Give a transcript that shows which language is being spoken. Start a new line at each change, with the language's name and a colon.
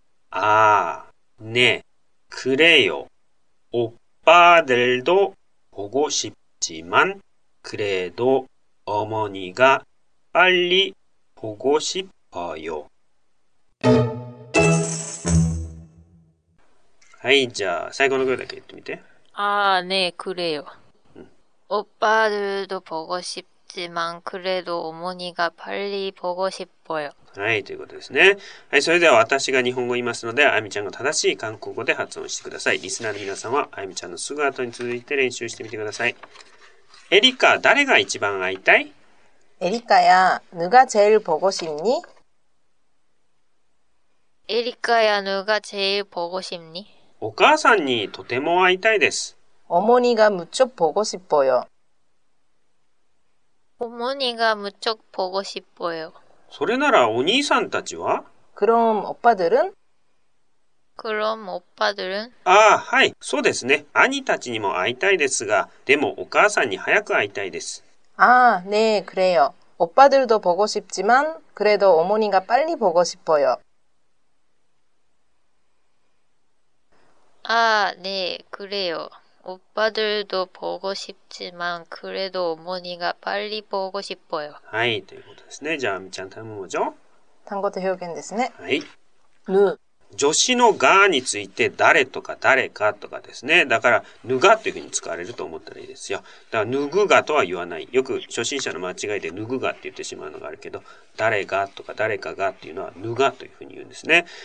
Korean: 아네그래요오빠들도보고싶지만그래도어머니가빨리보고싶어요。
Japanese: はい、じゃあ最後の句だけ言ってみて。
Korean: 아네그래요、うん、오빠들도보고싶지만그래도어머니가빨리보고싶어요。
Japanese: はい、ということですね。はい、それでは私が日本語を言いますので、あゆみちゃんが正しい韓国語で発音してください。リスナーの皆さんはあゆみちゃんのすぐ後に続いて練習してみてください。エリカ、誰が一番会いたい？
Korean: エリカや、누가제일보고싶니？エリカや、누가제일보고싶니？
Japanese: お母さんにとても会いたいです。
Korean: 어머니가무척보고싶어요。 어머니가무척보고싶어요。
Japanese: それならお兄さんたちは？
Korean: 그럼오빠들은？ 그럼오빠들은？
Japanese: 아はい、そうですね。兄たちにも会いたいですが、でもお母さんに早く会いたいです。
Korean: 아네그래요。 오빠들도보고싶지만그래도어머니가빨리보고싶어요。 아네그래요。 오빠들도보고싶지만그래도어머니가빨리보고싶어요。
Japanese: はい、ということですね。じゃあ、みちゃん、頼むもじょ。単語と表現ですね。はい。ぬ。助詞のがについて、誰とか誰かとかですね。だから、ぬがというふうに使われると思ったらいいですよ。だから、ぬぐがとは言わない。よく初心者の間違いで、ぬぐがって言ってしまうのがあるけど、誰がとか誰かがっていうのは、ぬがというふうに言うんですね。